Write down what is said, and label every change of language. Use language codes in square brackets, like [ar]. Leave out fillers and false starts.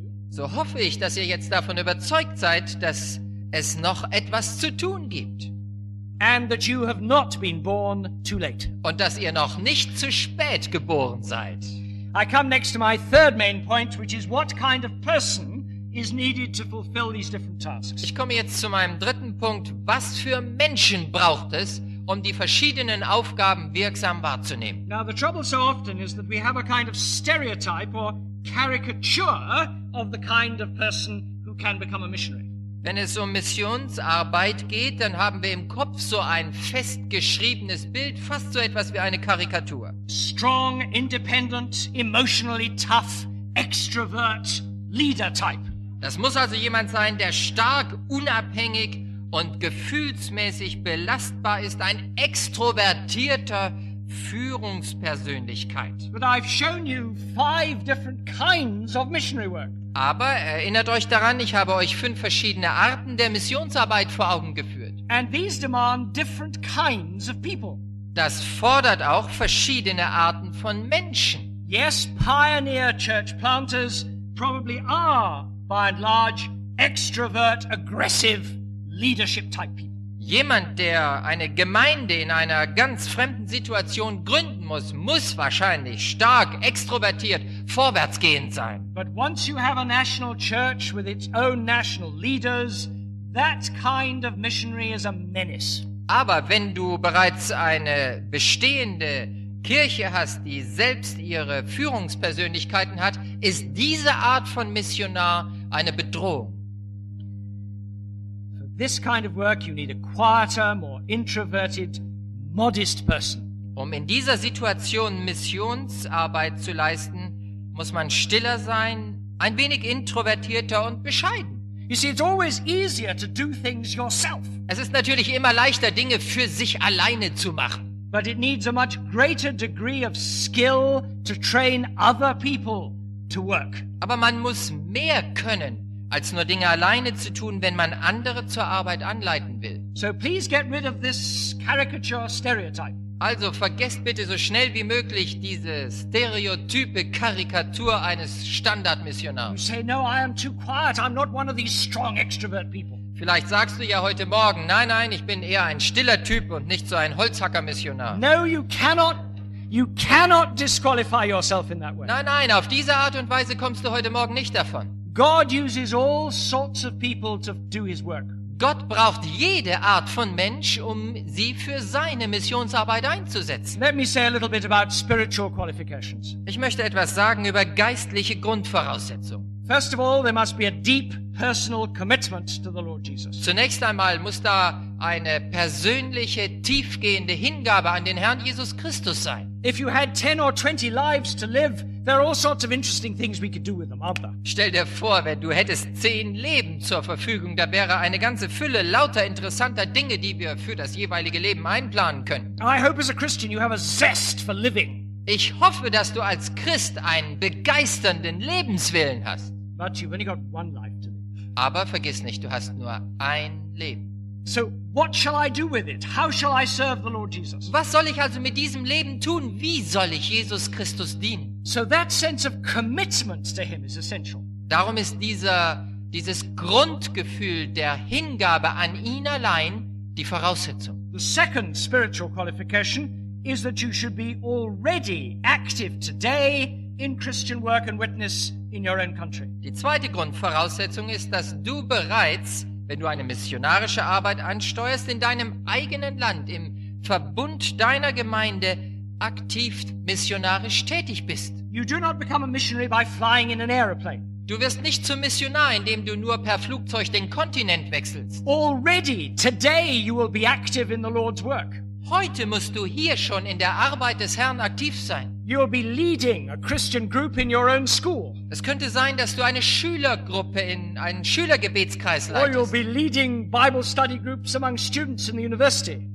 [de] So hoffe ich, dass ihr jetzt davon überzeugt seid, dass es noch etwas zu tun gibt. [en] And that you have not been born too late. [de] Und dass ihr noch nicht zu spät geboren seid. [en] I come next to my third main point, which is what kind of person is needed to fulfill these different tasks. [de] Ich komme jetzt zu meinem dritten Punkt. Was für Menschen braucht es, um die verschiedenen Aufgaben wirksam wahrzunehmen? [en] Now the trouble so often is that we have a kind of stereotype or caricature of the kind of person who can become a missionary. [de] Wenn es um Missionsarbeit geht, dann haben wir im Kopf so ein festgeschriebenes Bild, fast so etwas wie eine Karikatur. [en] Strong, independent, emotionally tough, extrovert leader type. [de] Das muss also jemand sein, der stark, unabhängig und gefühlsmäßig belastbar ist, ein extrovertierter Führungspersönlichkeit. [en] But I've shown you five different kinds of missionary work. [de] Aber erinnert euch daran, ich habe euch fünf verschiedene Arten der Missionsarbeit vor Augen geführt. [en] And these demand different kinds of people. [de] Das fordert auch verschiedene Arten von Menschen. [en] Yes, pioneer church planters probably are, by and large, extrovert, aggressive leadership type people. [de] Jemand, der eine Gemeinde in einer ganz fremden Situation gründen muss, muss wahrscheinlich stark extrovertiert vorwärtsgehend sein. [en] But once you have a national church with its own national leaders, that kind of missionary is a menace. [de] Aber wenn du bereits eine bestehende Kirche hast, die selbst ihre Führungspersönlichkeiten hat, ist diese Art von Missionar eine Bedrohung. [en] For this kind of work you need a quieter, more introverted, modest person. [de] Um in dieser Situation Missionsarbeit zu leisten, muss man stiller sein, ein wenig introvertierter und bescheiden. [en] You see, it's always easier to do things yourself. [de] Es ist natürlich immer leichter, Dinge für sich alleine zu machen. [en] But it needs a much greater degree of skill to train other people to work. [de] Aber man muss mehr können, als nur Dinge alleine zu tun, wenn man andere zur Arbeit anleiten will. [en] So please get rid of this caricature stereotype. [de] Also vergesst bitte so schnell wie möglich diese stereotype Karikatur eines Standardmissionars. [en] You say, no, I am too quiet. I'm not one of these strong extrovert people. [de] Vielleicht sagst du ja heute Morgen, nein, nein, ich bin eher ein stiller Typ und nicht so ein Holzhacker-Missionar. [en] No, you cannot disqualify yourself in that way. [de] Nein, nein, auf diese Art und Weise kommst du heute Morgen nicht davon. [en] God uses all sorts of people to do his work. [de] Gott braucht jede Art von Mensch, um sie für seine Missionsarbeit einzusetzen. [en] Let me say a little bit about spiritual qualifications. [de] Ich möchte etwas sagen über geistliche Grundvoraussetzungen. [en] First of all, there must be a deep personal commitment to the Lord Jesus. [de] Zunächst einmal muss da eine persönliche, tiefgehende Hingabe an den Herrn Jesus Christus sein. [en] If you had 10 or 20 lives to live, there are all sorts of interesting things we could do with them, aren't there? [de] Stell dir vor, wenn du hättest 10 Leben zur Verfügung, da wäre eine ganze Fülle lauter interessanter Dinge, die wir für das jeweilige Leben einplanen können. [en] I hope as a Christian you have a zest for living. [de] Ich hoffe, dass du als Christ einen begeisternden Lebenswillen hast. [en] But you've only got one life to live. [de] Aber vergiss nicht, du hast nur ein Leben. [en] So, what shall I do with it? How shall I serve the Lord Jesus? [de] Was soll ich also mit diesem Leben tun? Wie soll ich Jesus Christus dienen? [en] So that sense of commitment to him is essential. [de] Darum ist dieses Grundgefühl der Hingabe an ihn allein die Voraussetzung. [en] The second spiritual qualification is that you should be already active today in Christian work and witness in your own country. [de] Die zweite Grundvoraussetzung ist, dass du bereits, wenn du eine missionarische Arbeit ansteuerst, in deinem eigenen Land, im Verbund deiner Gemeinde, aktiv missionarisch tätig bist. [en] You do not become a missionary by flying in an aeroplane. [de] Du wirst nicht zum Missionar, indem du nur per Flugzeug den Kontinent wechselst. [en] Already today you will be active in the Lord's work. [de] Heute musst du hier schon in der Arbeit des Herrn aktiv sein. [en] You'll be leading a Christian group in your own school. [de] Es könnte sein, dass du eine Schülergruppe in einen Schülergebetskreis leitest. [en] Or you'll be leading Bible study groups among students in the university.